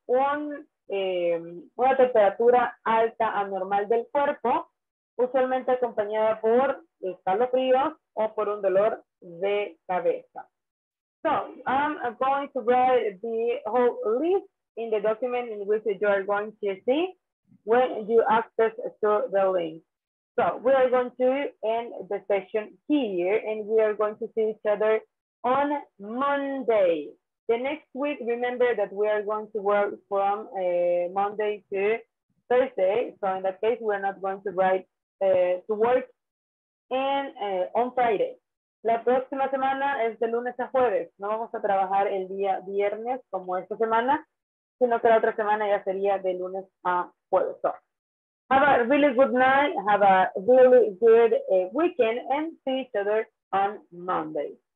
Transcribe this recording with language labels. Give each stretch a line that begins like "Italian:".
Spanish: Una temperatura alta anormal del cuerpo, usualmente acompañada por escalofríos o por un dolor de cabeza.
English: So, I'm going to write the whole list in the document in which you are going to see when you access to the link. So, we are going to end the session here and we are going to see each other on Monday. The next week, remember that we are going to work from Monday to Thursday. So in that case, we're not going to write to work in, on Friday.
Spanish: La próxima semana es de lunes a jueves. No vamos a trabajar el día viernes como esta semana, sino que la otra semana ya sería de lunes a jueves.
English: So, have a really good night. Have a really good weekend and see each other on Monday.